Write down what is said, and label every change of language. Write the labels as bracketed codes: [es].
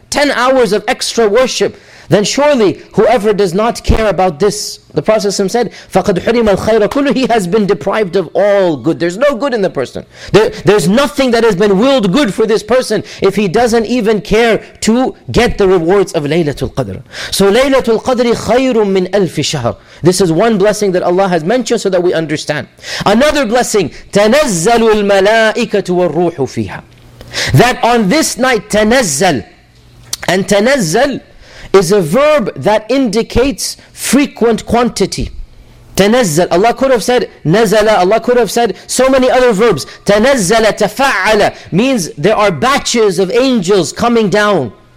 [en] 10 hours of extra worship. Then surely, whoever does not care about this, the Prophet ﷺ said, [ar] فَقَدْ حُرِمَ الْخَيْرَ كُلُّ. [en] He has been deprived of all good. There's no good in the person. There's nothing that has been willed good for this person if he doesn't even care to get the rewards of Laylatul Qadr. So [ar] Laylatul Qadr خَيْرٌ مِّنْ أَلْفِ شَهْرٍ. [en] This is one blessing that Allah has mentioned so that we understand. Another blessing, [ar] تَنَزَّلُ الْمَلَائِكَةُ وَالرُّوحُ فِيهَا. [en] That on this night, تَنَزَّلْ. And تَنَزَّلْ is a verb that indicates frequent quantity. [ar] تَنَزَّلْ. [en] Allah could have said نَزَلَ. Allah could have said so many other verbs. تَنَزَّلَ تَفَعَّلَ means there are batches of angels coming down.